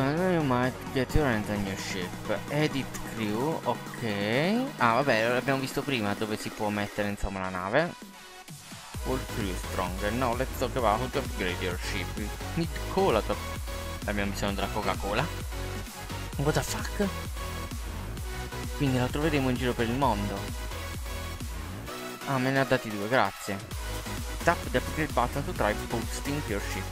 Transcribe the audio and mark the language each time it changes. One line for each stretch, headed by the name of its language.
English: You might get your hands on your ship. Edit crew. Ok.
Italian: Ah, vabbè, l'abbiamo visto prima dove si può mettere insomma la nave.
English: All crew strong. No, let's talk about upgrade your ship. Need cola top.
Italian: Abbiamo bisogno della Coca-Cola.
English: What the fuck?
Italian: Quindi la troveremo in giro per il mondo. Ah, me ne ha dati due, grazie.
English: Tap the upgrade button to try boosting your ship.